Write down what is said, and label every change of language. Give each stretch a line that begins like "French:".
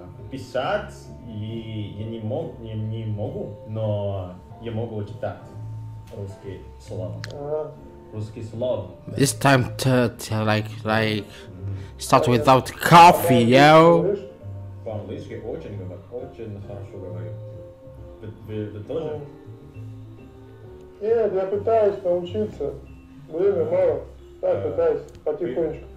Russian: Писать и я не могу, но я могу читать русские слова. Русские слова.
English: It's time to like start without coffee, yo.
Russian: По-английски очень говорю, очень хорошо говорю. Вы тоже? Нет, я пытаюсь научиться. Время мало. Так, пытаюсь потихонечку.